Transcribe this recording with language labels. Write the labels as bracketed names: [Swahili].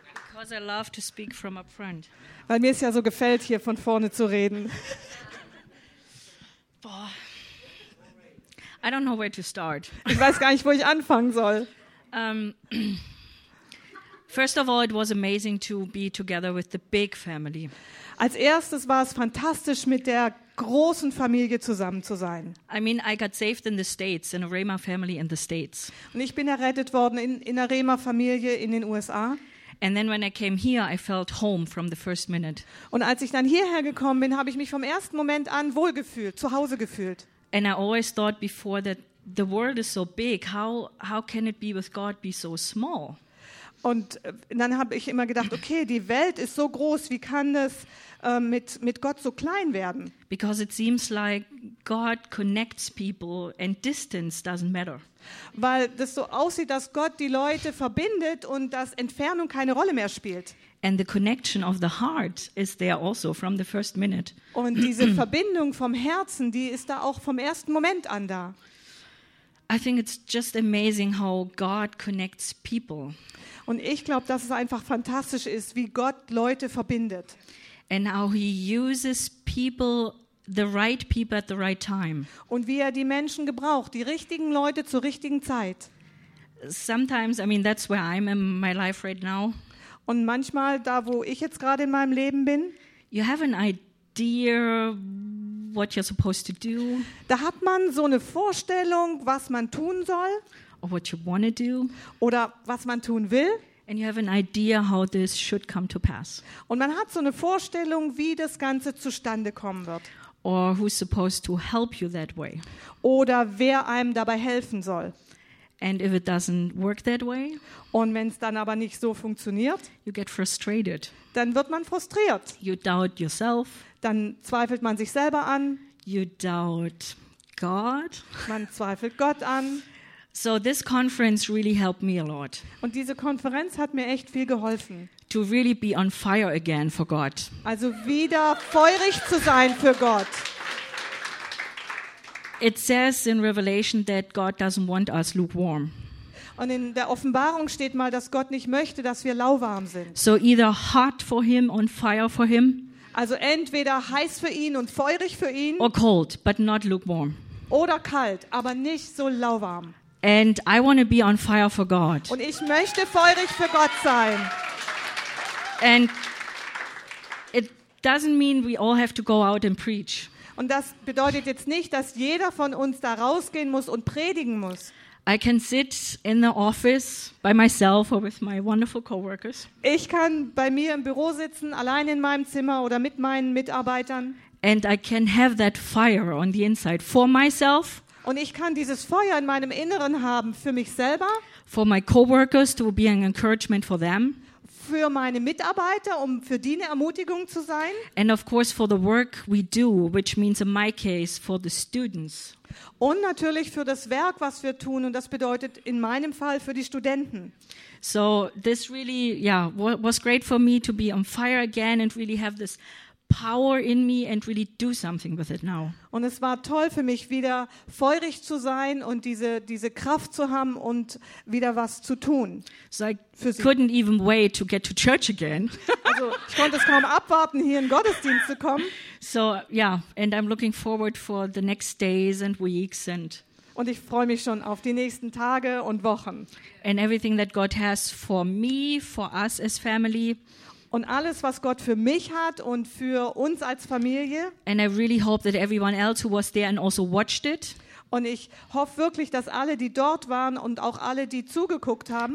[English] Because I love to speak from up front. [German] Weil mir es ja so gefällt, hier von vorne zu reden. [English] Boah. I don't know where to start. [German] Ich weiß gar nicht, wo ich anfangen soll. [English] First of all, it was amazing to be together with the big family. [German] Als erstes war es fantastisch, mit der großen Familie zusammen zu sein. [English] I mean, I got saved in the States, in a Rema family in the States. [German] Und ich bin errettet worden in einer Rema Familie in den USA. [English] And then when I came here, I felt home from the first minute. [German] Und als ich dann hierher gekommen bin, habe ich mich vom ersten Moment an wohlgefühlt, zu Hause gefühlt. [English] And I always thought before that the world is so big, how can it be with God be so small? [German] Und dann habe ich immer gedacht, okay, die Welt ist so groß, wie kann das mit Gott so klein werden? [English] Because it seems like God connects people and distance doesn't matter. [German] Weil das so aussieht, dass Gott die Leute verbindet und dass Entfernung keine Rolle mehr spielt. [English] And the connection of the heart is there also from the first minute. [German] Und diese Verbindung vom Herzen, die ist da auch vom ersten Moment an da. [English] I think it's just amazing how God connects people. [German] Und ich glaube, dass es einfach fantastisch ist, wie Gott Leute verbindet. [English] And how he uses people, the right people at the right time. [German] Und wie er die Menschen gebraucht, die richtigen Leute zur richtigen Zeit. [English] Sometimes, I mean, that's where I'm in my life right now. [German] Und manchmal da, wo ich jetzt gerade in meinem Leben bin. [English] You have an idea what you're supposed to do. [German] Da hat man so eine Vorstellung, was man tun soll. [English] Or what you want to do. [German] Oder was man tun will. [English] And you have an idea how this should come to pass. [German] Und man hat so eine Vorstellung, wie das Ganze zustande kommen wird. [English] Or who's supposed to help you that way. [German] Oder wer einem dabei helfen soll. [English] And if it doesn't work that way. [German] Und wenn es dann aber nicht so funktioniert. [English] You get frustrated. [German] Dann wird man frustriert. [English] You doubt yourself. [German] Dann zweifelt man sich selber an. [English] You doubt God. [German] Man zweifelt Gott an. [English] So this conference really helped me a lot. [German] Und diese Konferenz hat mir echt viel geholfen. [English] To really be on fire again for God. [German] Also wieder feurig zu sein für Gott. [English] It says in Revelation that God doesn't want us lukewarm. [German] Und in der Offenbarung steht mal, dass Gott nicht möchte, dass wir lauwarm sind. [English] So either hot for him on fire for him. [German] Also entweder heiß für ihn und feurig für ihn. [English] Or cold, but not lukewarm. [German] Oder kalt, aber nicht so lauwarm. [English] And I want to be on fire for God. [German] Und ich möchte feurig für Gott sein. [English] And it doesn't mean we all have to go out and preach. [German] Und das bedeutet jetzt nicht, dass jeder von uns da rausgehen muss und predigen muss. [English] I can sit in the office by myself or with my wonderful coworkers. [German] Ich kann bei mir im Büro sitzen, allein in meinem Zimmer oder mit meinen Mitarbeitern. [English] And I can have that fire on the inside for myself. [German] Und ich kann dieses Feuer in meinem Inneren haben für mich selber. [English] For my coworkers to be an encouragement for them. [German] Für meine Mitarbeiter, um für die eine Ermutigung zu sein. [English] And of course for the work we do, which means in my case for the students. [German] Und natürlich für das Werk, was wir tun, und das bedeutet in meinem Fall für die Studenten. [English] So this really, yeah, was great for me to be on fire again and really have this power in me and really do something with it now. [German] Und es war toll für mich, wieder feurig zu sein und diese Kraft zu haben und wieder was zu tun. [English] So I couldn't even wait to get to church again. [German] Also, ich konnte es kaum abwarten, hier in Gottesdienst zu kommen. [English] So yeah, and I'm looking forward for the next days and weeks and. [German] Und ich freue mich schon auf die nächsten Tage und Wochen. [English] And everything that God has for me, for us as family. [German] Und alles, was Gott für mich hat und für uns als Familie. [English] And I really hope that everyone else who was there and also watched it. [German] Und ich hoffe wirklich, dass alle, die dort waren und auch alle, die zugeguckt haben.